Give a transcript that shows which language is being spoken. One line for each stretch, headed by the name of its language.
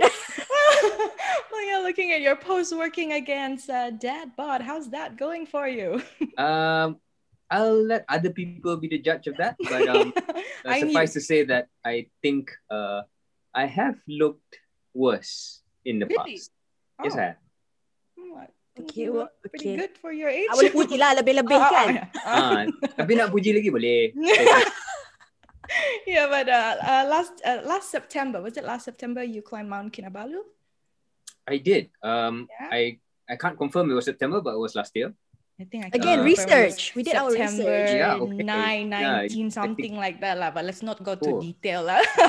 English: Well, yeah, looking at your post working against Dad Bod, how's that going for you? I'll let other people be the judge of that, but suffice to say that I think I have looked worse in the past. Oh. Yes, I have. Okay, well, pretty okay. Good for your age.
Malay: Awak boleh puji lah lebih-lebih kan? Tapi nak puji lagi boleh.
English: Yeah, but last September, was it last September you climbed Mount Kinabalu? I did. I can't confirm it was September, but it was last year. Again, research. We did September our research. Yeah, okay. 9/19, something like that lah. But let's not go to detail lah.